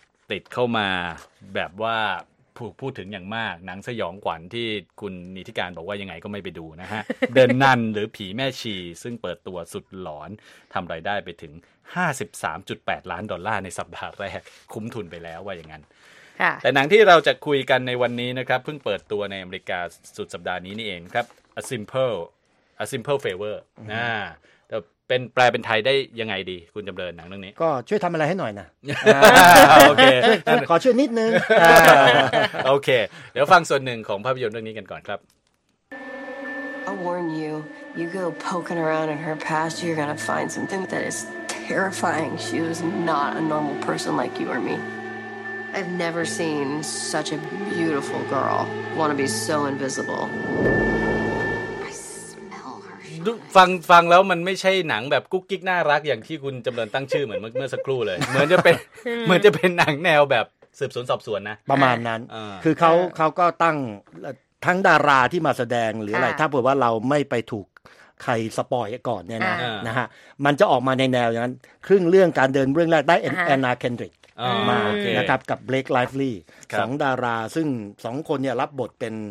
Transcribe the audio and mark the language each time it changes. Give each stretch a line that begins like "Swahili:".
Thai: ติดเข้ามาแบบว่าถูกพูดถึงอย่างมากหนังสยองขวัญที่คุณนิธิการบอกว่ายังไงก็ไม่ไปดูนะฮะ The Nun หรือผีแม่ชีซึ่งเปิดตัวสุดหลอนทำรายได้ไปถึง 53.8 ล้านดอลลาร์ในสัปดาห์แรกคุ้มทุนไปแล้วว่าอย่างนั้นแต่หนังที่เราจะคุยกันในวันนี้นะครับเพิ่งเปิดตัวในอเมริกาสุดสัปดาห์นี้นี่เองครับ A Simple Favor นะแต่เป็นแปลเป็นไทยได้ยังไงดีคุณจำเริญหนังเรื่องนี้ก็ช่วยทำอะไรให้หน่อยนะ โอเค ขอช่วยนิดนึง โอเคเดี๋ยวฟังส่วนหนึ่งของภาพยนตร์เรื่องนี้กันก่อนครับ
English: I warn you you go poking around in her past you're gonna find something that is terrifying she was not a normal person like you or meI've never seen such a beautiful girl. Want to be so invisible. I smell her.
Thai: ฟังแล้วมันไม่ใช่หนังแบบกุ๊กกิ๊กน่ารักอย่างที่คุณจำเริญตั้งชื่อเหมือนเมื่อสักครู่เลยเหมือนจะเป็นหนังแนวแบบสืบสวนสอบสวนนะ ประมาณนั้นคือเขาก็ตั้งทั้งดาราที่มาแสดงหรืออะไรถ้าเผื่อว่าเราไม่ไปถูกใครสปอยก่อนเนี่ยนะนะฮะมันจะออกมาในแนวอย่างนั้นครึ่งเรื่องการเดินเรื่องแรกได้แอนนาเคนดริกมานะครับกับเบลคไลฟ์ลีย์2ดาราซึ่ง2คนเนี่ยรับบทเป็